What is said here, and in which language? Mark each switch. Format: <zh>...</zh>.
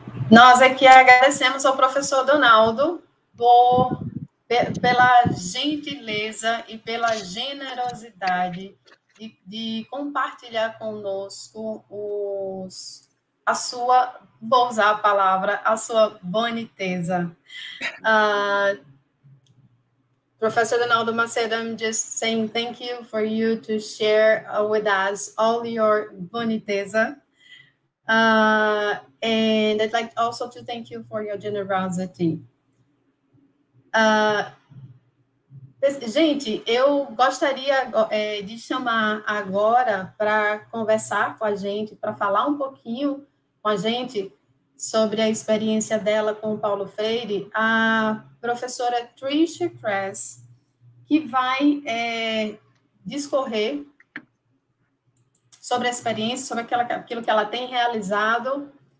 <pt>Nós é que agradecemos ao professor Donaldo pela gentileza e pela generosidade de compartilhar conosco a sua, vou usar a palavra, a sua boniteza.</pt> <en>Professor Donaldo Macedo, I'm just saying thank you for you to share with us all your boniteza. And I'd like also to thank you for your generosity.</en> <pt>Gente, eu gostaria de chamar agora para conversar com a gente, para falar um pouquinho com a gente sobre a experiência dela com o Paulo Freire, a professora Trisha Kress, que vai discorrer sobre a experiência, sobre aquilo que ela tem realizado.</pt>